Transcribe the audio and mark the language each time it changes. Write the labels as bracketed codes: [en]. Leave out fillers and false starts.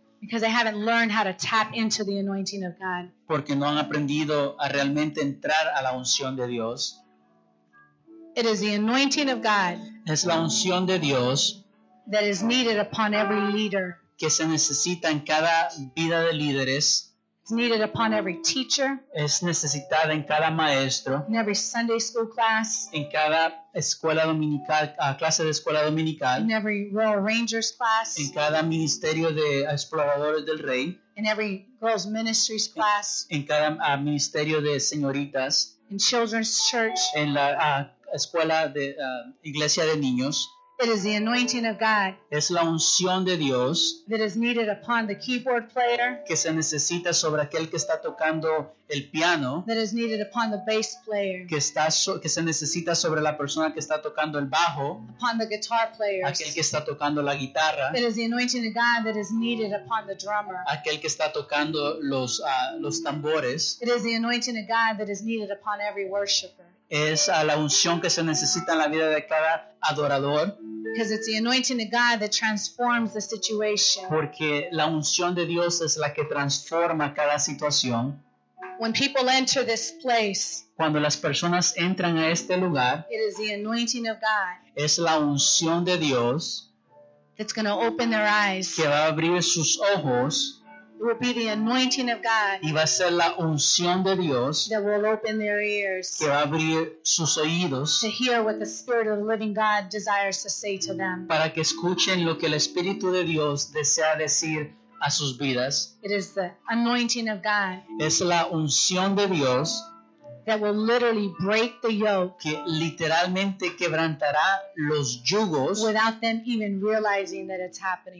[en] Because they haven't learned how to tap into the anointing of God. [es] Porque no han aprendido a realmente entrar a la unción de Dios. [en] It is the anointing of God. [es] Es la unción de Dios. [en] That is needed upon every leader. [es] Que se necesita en cada vida de líderes. [en] It's needed upon every teacher. [es] Es necesitada en cada maestro. [en] In every Sunday school class. [es] En cada escuela dominical, clase de escuela dominical. [en] In every Royal Rangers class. [es] En cada ministerio de exploradores del rey. [en] In every girls ministries class. [es] En cada ministerio de señoritas. [en] In children's church. [es] En la escuela de iglesia de niños. [en] It is the anointing of God. [es] Es la unción de Dios. [en] That is needed upon the keyboard player. [es] Que se necesita sobre aquel que está tocando el piano. [en] That is needed upon the bass player. [es] Que se necesita sobre la persona que está tocando el bajo. [en] Upon the guitar player. [es] Aquel que está tocando la guitarra. [en] It is the anointing of God that is needed upon the drummer. [es] Aquel que está tocando los tambores. [en] It is the anointing of God that is needed upon every worshiper. [es] Es a la unción que se necesita en la vida de cada adorador. [en] Because it's the anointing of God that transforms the situation. [es] Porque la unción de Dios es la que transforma cada situación. [en] When people enter this place, [es] cuando las personas entran a este lugar, [en] it is the anointing of God. [es] Es la unción de Dios. [en] That's going to open their eyes. [es] Que va a abrir sus ojos. [en] It will be the anointing of God. [es] Y va a ser la unción de Dios. [en] That will open their ears. [es] Que va a abrir sus oídos. [en] To hear what the Spirit of the living God desires to say to them. [es] Para que escuchen lo que el Espíritu de Dios desea decir a sus vidas. [en] It is the anointing of God. [es] Es la unción de Dios. [en] That will literally break the yoke. [es] Que literalmente quebrantará los yugos. [en] Without them even realizing that it's happening.